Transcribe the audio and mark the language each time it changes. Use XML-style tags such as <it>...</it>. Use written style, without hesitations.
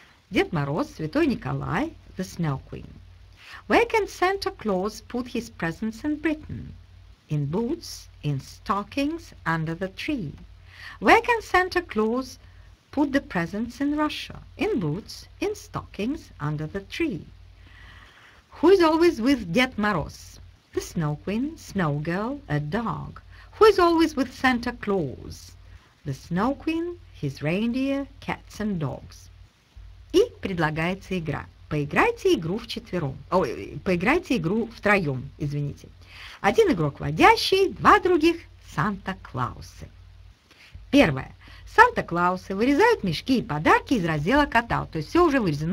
<ru>Дед Мороз, Святой Николай, the Snow Queen.</ru> <en>Where can Santa Claus put his presents in Britain? In boots, in stockings, under the tree. Where can Santa Claus put the presents in Russia? In boots, in stockings, under the tree. Who is always with Дед Мороз? The Snow Queen, Snow Girl, a dog. Who is always with Santa Claus? The Snow Queen, his reindeer, cats and dogs.</en> <ru>И предлагается игра. Поиграйте игру вчетвером. Поиграйте игру втроем, извините. Один игрок водящий, два других Санта-Клаусы. Первое. Санта-Клаусы вырезают мешки и подарки из раздела каталог. То есть все уже вырезано.</ru>